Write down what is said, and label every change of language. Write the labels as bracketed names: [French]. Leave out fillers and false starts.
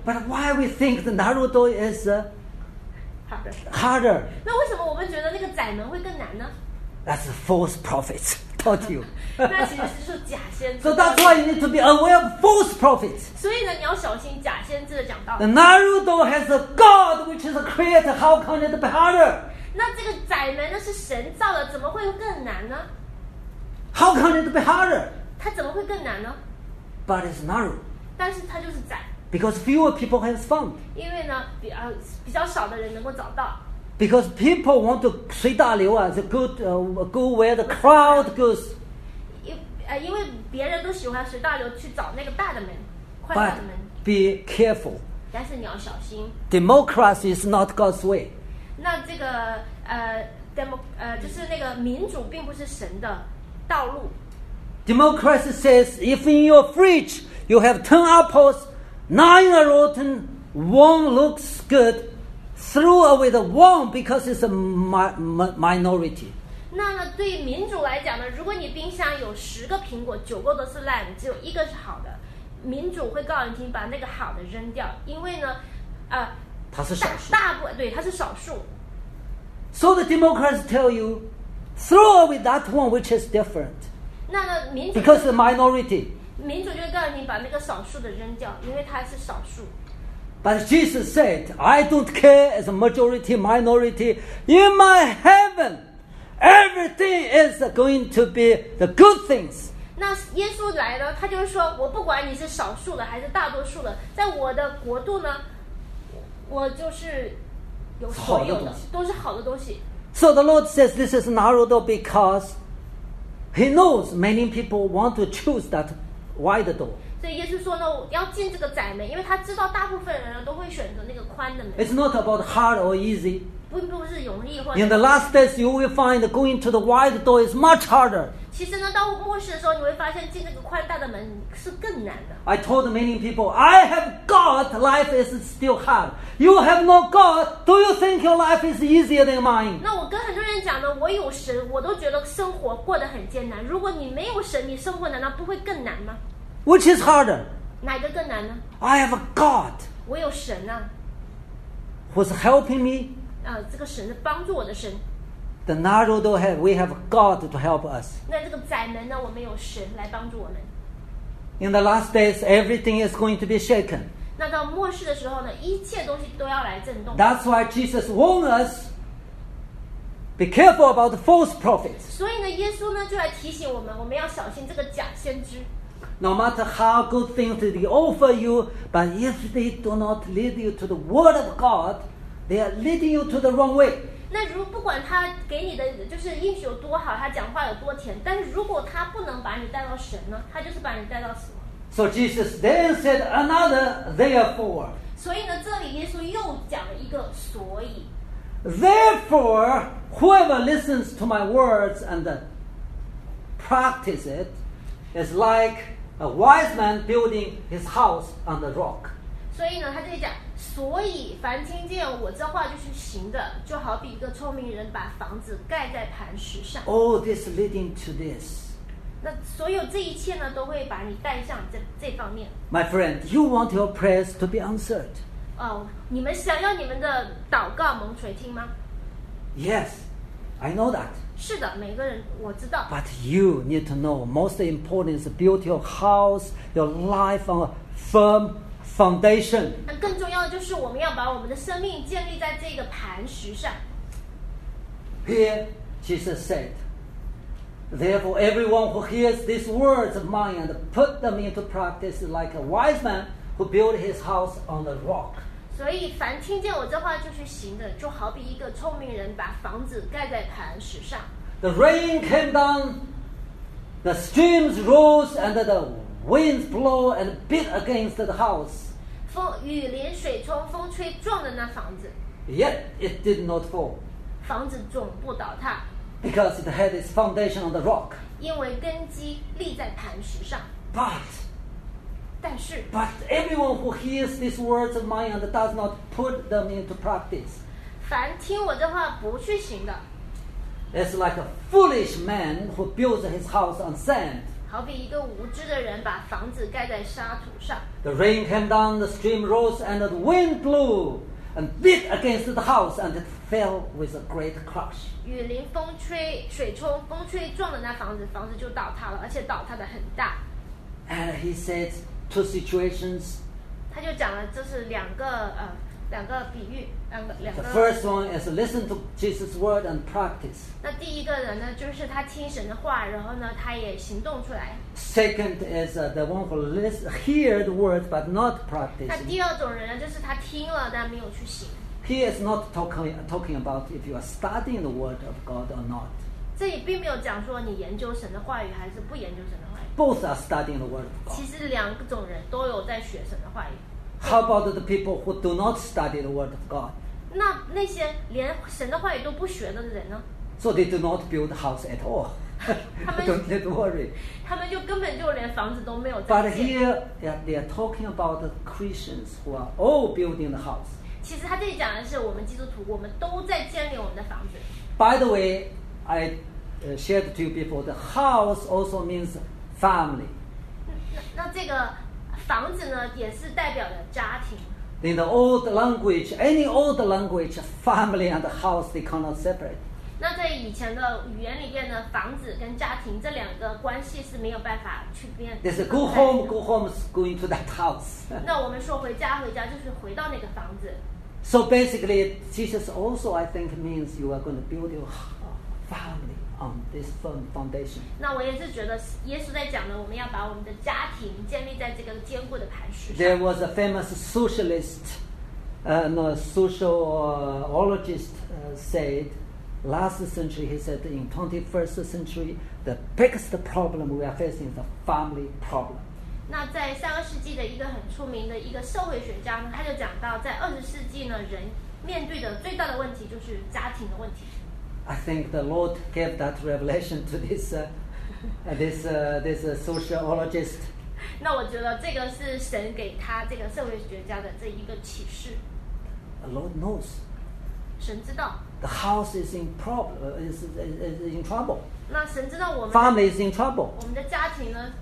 [English] But why we think the narrow door is harder? [Chinese] 那为什么我们觉得那个窄门会更难呢？ [English] That's a false prophet. Told you. [Chinese] 那其实是假先知。 [English] So that's why you need to be aware of false prophets. [Chinese] 所以呢，你要小心假先知的讲道。 [English] The narrow door has a God which is a creator. How can it be harder? [Chinese] 那这个窄门呢是神造的，怎么会更难呢？ [English] How can it be harder? [Chinese] 它怎么会更难呢？ [English] But it's narrow. [Chinese] 但是它就是窄。 [English] Because fewer people have found. [Chinese] 因为呢，比较少的人能够找到。 [English] Because people want to [Chinese] 随大流啊 [English] the good, go where the crowd goes. [Chinese] 因为别人都喜欢随大流去找那个大的门，宽大的门。 [English] But be careful. [Chinese] 但是你要小心。 [English] Democracy is not God's way. [Chinese] 那这个就是那个民主并不是神的道路。 [English] Democracy says if in your fridge you have 10 apples, 9 are rotten, 1 looks good. Threw away the one because it's a minority. [Chinese] 那呢，对于民主来讲呢，如果你冰箱有十个苹果，九个都是烂，只有一个是好的，民主会告诉你把那个好的扔掉，因为呢，它是少数，它是少数。 [English] So the Democrats tell you, throw away that one which is different. [Chinese] 那呢，民主 [English] because the minority. [Chinese] 民主就告诉你把那个少数的扔掉，因为它是少数。 [English] But Jesus said, I don't care as a majority, minority. In my heaven, everything is going to be the good things. [Chinese] 那耶稣来了，他就说，我不管你是少数的还是大多数的，在我的国度呢，我就是有所有的，都是好的东西。 [English] So the Lord says this is narrow door because he knows many people want to choose that wide door. [Chinese] 所以耶稣说呢，要进这个窄门，因为他知道大部分人都会选择那个宽的门。 [English] It's not about hard or easy. [Chinese] 不是容易或。 [English] In the last days, you will find going to the wide door is much harder. [Chinese] 其实呢，到末世的时候，你会发现进这个宽大的门是更难的。 [English] I told many people, I have God, life is still hard. You have no God, do you think your life is easier than mine? [Chinese] 那我跟很多人讲呢，我有神，我都觉得生活过得很艰难。如果你没有神，你生活难道不会更难吗？ [English] Which is harder? [Chinese] 哪个更难呢？ [English] I have a God. [Chinese] 我有神啊。 [English] Who's helping me? [Chinese] 这个神是帮助我的神。 [English] The narrow door head, we have God to help us. [Chinese] 那这个窄门呢，我们有神来帮助我们。 [English] In the last days, everything is going to be shaken. [Chinese] 那到末世的时候呢，一切东西都要来震动。 [English] That's why Jesus warned us, be careful about the false prophets. [Chinese] 所以呢，耶稣呢就来提醒我们，我们要小心这个假先知。 [English] No matter how good things they offer you, but if they do not lead you to the word of God, they are leading you to the wrong way. [Chinese] 那如不管他给你的就是应许有多好，他讲话有多甜，但是如果他不能把你带到神呢，他就是把你带到死亡。 [English] So Jesus then said another therefore. [Chinese] 所以呢，这里耶稣又讲了一个所以。 [English] Therefore, whoever listens to my words and practices it is like a wise man building his house on the rock. [Chinese] 所以呢，他这里讲，所以凡听见我这话就去行的，就好比一个聪明人把房子盖在磐石上。 [English] All this leading to this. [Chinese] 那所有这一切呢，都会把你带向这方面。 [English] My friend, you want your prayers to be answered. [Chinese] 你们想要你们的祷告蒙垂听吗 [English] ？Yes, I know that. [Chinese] 是的，每个人我知道。 [English] But you need to know most important is build your house, your life on a firm. Foundation. [Chinese] 那更重要的就是我们要把我们的生命建立在这个磐石上。 [English] Here, Jesus said, "Therefore, everyone who hears these words of mine and put them into practice is like a wise man who built his house on the rock." [Chinese] 所以，凡听见我这话就去行的，就好比一个聪明人把房子盖在磐石上。 [English] The rain came down, the streams rose, and the winds blow and beat against the house. [Chinese] 雨淋水冲，风吹撞的那房子。 [English] Yet it did not fall. [Chinese] 房子总不倒塌。 [English] Because it had its foundation on the rock. [Chinese] 因为根基立在磐石上。 [English] But. [Chinese] 但是。 [English] But everyone who hears these words of mine and does not put them into practice. [Chinese] 凡听我这话不去行的。 [English] It's like a foolish man who builds his house on sand. [Chinese] 好比一个无知的人把房子盖在沙土上。 [English] The rain came down, the stream rose, and the wind blew and beat against the house, and it fell with a great crash. [Chinese] 雨淋风吹水冲，风吹撞了那房子，房子就倒塌了，而且倒塌的很大。 [English] And he said two situations. [Chinese] 他就讲了，这是两个比喻，两个。 [English] The first one is listen to Jesus' word and practice. [Chinese] 那第一个人呢，就是他听神的话，然后呢，他也行动出来。 [English] Second is the one who hear the word but not practice. [Chinese] 那第二种人呢，就是他听了但没有去行。 [English] He is not talking about if you are studying the word of God or not. [Chinese] 这里并没有讲说你研究神的话语还是不研究神的话语。 [English] Both are studying the word of God. [Chinese] 其实两种人都有在学神的话语。 [English] How about the people who do not study the word of God? [Chinese] 那些连神的话语都不学的人呢？ [English] So they do not build house at all. Don't need to worry. [Chinese] 他们就根本就连房子都没有。 [English] But here, they are talking about the Christians who are all building the house. [Chinese] 其实他这里讲的是我们基督徒，我们都在建立我们的房子。 [English] By the way, I shared to you before, the house also means family. [Chinese] 那这个。房子呢，也是代表了家庭。 [English] In the old language, any old language, family and house they cannot separate. [Chinese] 那在以前的语言里面呢，房子跟家庭这两个关系是没有办法区别。 [English] There's a go home, go home, go into that house. [Chinese] 那我们说回家就是回到那个房子。 [English] So basically, Jesus also, I think, means you are going to build your family. On this firm foundation. [Chinese] 那我也是觉得耶稣在讲的，我们要把我们的家庭建立在这个坚固的磐石上。 [English] There was a famous socialist, sociologist said, last century he said in 21st century the biggest problem we are facing is the family problem. [Chinese] 那在上个世纪的一个很出名的一个社会学家呢，他就讲到在二十世纪呢，人面对的最大的问题就是家庭的问题。 [English] I think the Lord gave that revelation to this this sociologist. [Chinese] 那我觉得这个是神给他这个社会学家的这一个启示。 [English] The Lord knows. [Chinese] 神知道。 [English] The house is in problem. Is in trouble. [Chinese] 那神知道我们。 [English] Family is in trouble. [Chinese] 我们的家庭呢？